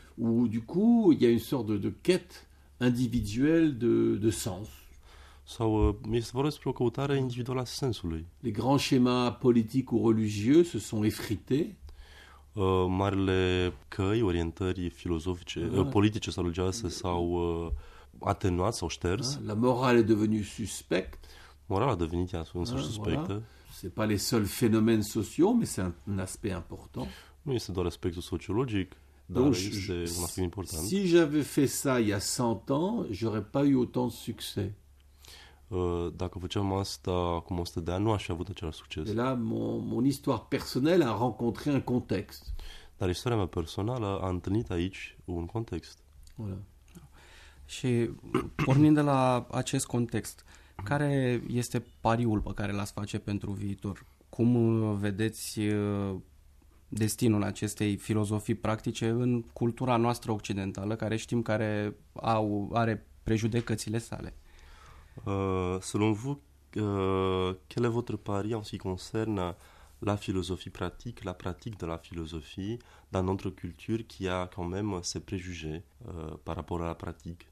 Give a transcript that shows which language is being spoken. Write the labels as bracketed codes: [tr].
[fr] Ou du coup, il y a une sorte de quête individuelle de sens. [ro] Sau este vorba despre o căutare individuală a sensului. [fr] Les grands schémas politiques ou religieux se sont effrités. [ro] Marile căi, orientări filozofice, politice sau religioase s-au atenuat sau șters. [fr] La morale est devenue suspecte. [ro] Morale a devenit un suspect. [fr] Voilà. C'est pas les seuls phénomènes sociaux, mais c'est un aspect important. [ro] Nu este doar aspectul sociologic, dar este un aspect important. [fr] Si j'avais fait ça il y a 100 ans, j'aurais pas eu autant de succès. [ro] Dacă făceam asta acum 100 de ani, nu aș fi avut același succes. [fr] Et là, mon histoire personnelle a rencontré un contexte. [ro] Dar istoria mea personală a întâlnit aici un context. [fr] Voilà. [ro] Și pornind de la acest context, care este pariul pe care l-ați face pentru viitor? Cum vedeți destinul acestei filozofii practice în cultura noastră occidentală, care știm care are prejudecățile sale? [fr] Selon vous, quel est votre pari en ce qui concerne la philosophie pratique, la pratique de la philosophie dans notre culture qui a quand même ses préjugés par rapport à la pratique?